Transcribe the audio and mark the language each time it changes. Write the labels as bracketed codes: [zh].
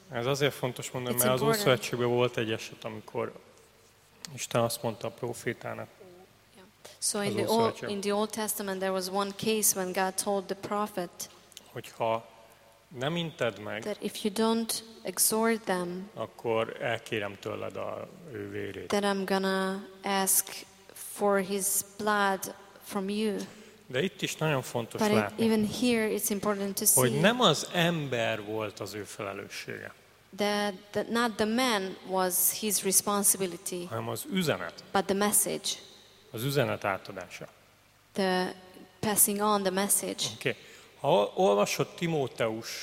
[hu] Ez azért fontos mondani, mert important. Az új szövetségben volt egy eset, amikor Isten azt mondta a prófétának. [en] So in the Old Testament there was one case when God told the prophet. [hu] Hogyha nem inted meg, [en] that if you don't exhort them, [hu] akkor elkérem tőled a ő vérét. [en] Then I'm gonna ask for his blood from you. [hu] De itt is nagyon fontos [en] but [hu] látni. [en] Even here it's important to see. [hu] Hogy nem az ember volt az ő felelőssége. [en] That not the man was his responsibility. [hu] Hanem az üzenet. [en] But the message. [hu] Az üzenet átadása. [en] The passing on the message. [hu] Okay. Ha olvasod Timóteus